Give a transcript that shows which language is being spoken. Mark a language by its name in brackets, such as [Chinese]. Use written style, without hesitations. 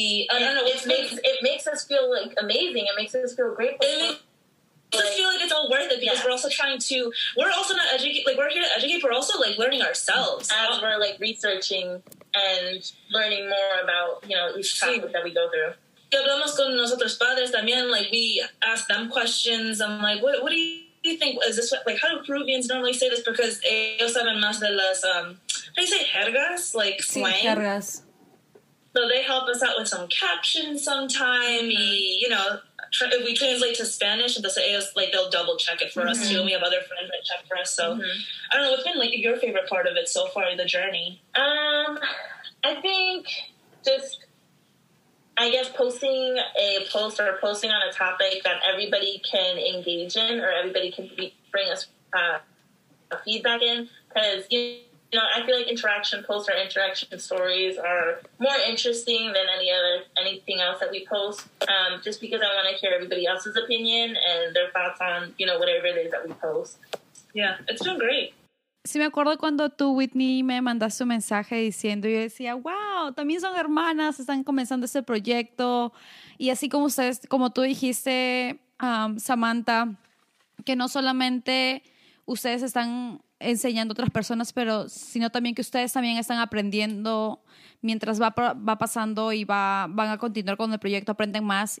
[English] It makes us feel, like, amazing. It makes us feel grateful. It makes us feel like it's all worth it because yeah. we're also trying to, we're also not educate, like, we're here to educate, but we're also, like, learning ourselves. As we're, like, researching and learning more about, you know, each topic [Spanish] sí. [English] that we go through. [Spanish] Y hablamos con nosotros padres también, [English] like, we ask them questions. I'm like, what do you think, is this, what, like, how do Peruvians normally say this? Because [Spanish] ellos saben más de las [English] how do you say jergas? Like slang? [Spanish] Sí, jergas. [English] So they help us out with some captions sometime. Mm-hmm. If we translate to Spanish, and they'll double check it for mm-hmm. us too. We have other friends that check for us. So mm-hmm. I don't know. What's been like your favorite part of it so far, the journey? I think just, I guess, posting a post or posting on a topic that everybody can engage in or everybody can bring us feedback in. Because, I feel like interaction posts or interaction stories are more interesting than anything else that we post, just because I want to hear everybody else's opinion and their thoughts on, whatever it is that we post. Yeah, it's been great. [Spanish] Sí, me acuerdo cuando tú, Whitney, me mandaste un mensaje diciendo, yo decía, wow, también son hermanas, están comenzando este proyecto. Y así como ustedes, como tú dijiste, Samantha, que no solamente ustedes están enseñando a otras personas, pero sino también que ustedes también están aprendiendo mientras va pasando y van a continuar con el proyecto, aprenden más.